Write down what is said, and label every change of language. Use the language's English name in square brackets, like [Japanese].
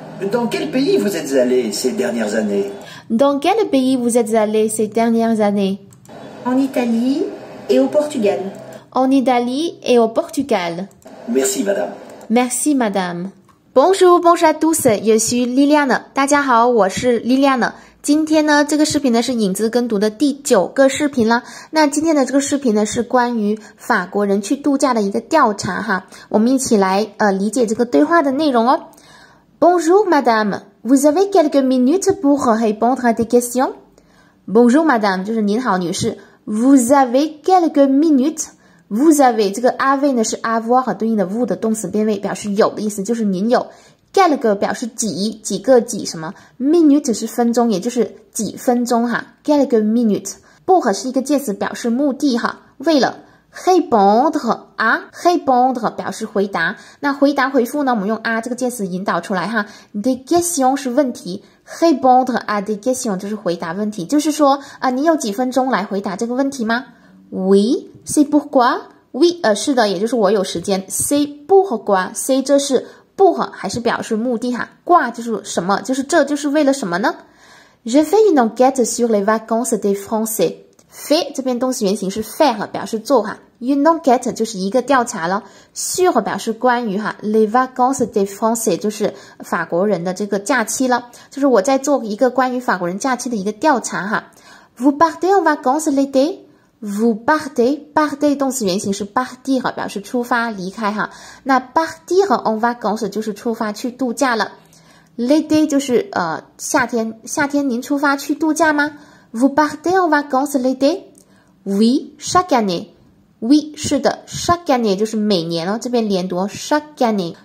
[French] Dans quel pays vous êtes allé ces dernières années? Dans quel pays vous êtes allé ces dernières années? En Italie et au Portugal. En Italie et au Portugal. Merci, madame. Merci, madame. Bonjour, bonjour à tous, je suis Liliane. [Chinese] 大家好，我是 Liliane。今天呢，这个视频呢是影子跟读的第9个视频了。那今天的这个视频呢是关于法国人去度假的一个调查哈。我们一起来理解这个对话的内容哦。 [French] Bonjour, madame. Vous avez quelques minutes pour répondre à des questions? Bonjour, madame. [Chinese] 就是您好，女士。 [French] Vous avez quelques minutes? Vous avez [Chinese] 这个 avez 呢是 avoir 对应的 vous 的动词变位，表示有的意思，就是您有。 Quelque 表示几什么 ？Minute 是分钟，也就是几分钟哈。 [French] Quelque minute. [Chinese] Pour 是一个介词，表示目的哈。为了 répondre 啊 ，répondre 表示回答。那回答回复呢，我们用啊这个介词引导出来哈。Des questions 是问题 ， [French] répondre à des questions [Chinese] 就是回答问题，就是说啊，你有几分钟来回答这个问题吗？ [French] Oui, c'est pourquoi? [Chinese] Oui, 是的，也就是我有时间。 [French] C'est pourquoi? [Chinese] C'est 这是 pour 还是表示目的哈？挂就是什么？就是这就是为了什么呢 [French] ？Je fais une enquête sur les vacances des Français. [Chinese] Fais 这边动词原形是 faire 表示做哈。 [French] Une enquête [Chinese] 就是一个调查了。 Sur 表示关于哈。 [French] Les vacances des Français [Chinese] 就是法国人的这个假期了。就是我在做一个关于法国人假期的一个调查哈。 [French] Vous partez en vacances l'été? [Chinese] Vous partez, partez 动词原形是 partir, 表示出发离开哈。那 [French] partir en vacances [Chinese] 就是出发去度假了。 L'été 就是夏天，夏天您出发去度假吗 ？ [French] Vous partez en vacances l'été? Oui, chaque année. Oui, [Chinese] 是的 [French] ，chaque année [Chinese] 就是每年哦，这边连读 [French] chaque année.